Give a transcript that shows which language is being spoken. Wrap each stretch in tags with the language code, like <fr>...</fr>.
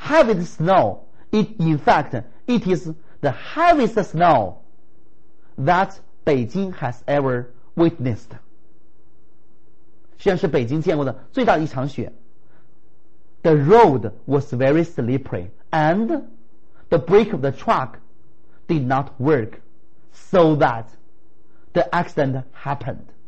<en>In fact, it is the heaviest snow that Beijing has ever witnessed.</en> <zh>实际上是北京见过的最大的一场雪。</zh> <en>The road was very slippery and the brake of the truck did not work, so that the accident happened.</en>